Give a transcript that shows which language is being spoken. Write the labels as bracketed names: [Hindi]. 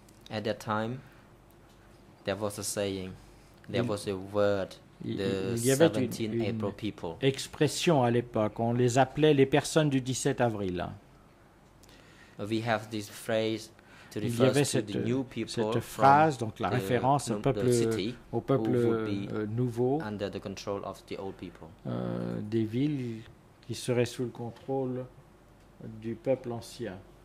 [English] At that time, there was a saying. There was a word, the 17 April people. [French] Expression à l'époque, on les appelait les personnes du 17 avril. [English] We have this phrase to refer to the new people. [French] Cette phrase, donc la référence au peuple nouveau, [English] under the control of the old people. [French] Des villes qui seraient sous le contrôle du peuple ancien.